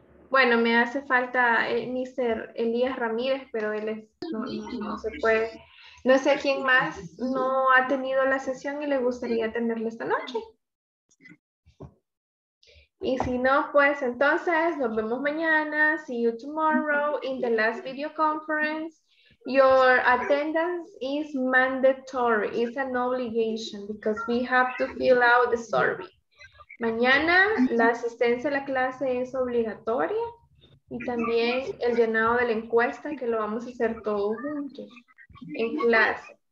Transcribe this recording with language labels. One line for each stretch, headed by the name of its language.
Spanish: Bueno, me hace falta el Mr. Elías Ramírez, pero él es, no se puede. No sé quién más no ha tenido la sesión y le gustaría tenerla esta noche. Y si no, pues entonces nos vemos mañana.
English: See you tomorrow in the last video conference. Your attendance is mandatory. It's an obligation because we have to fill out the survey.
Spanish: Mañana la asistencia a la clase es obligatoria y también el llenado de la encuesta que lo vamos a hacer todos juntos en clase.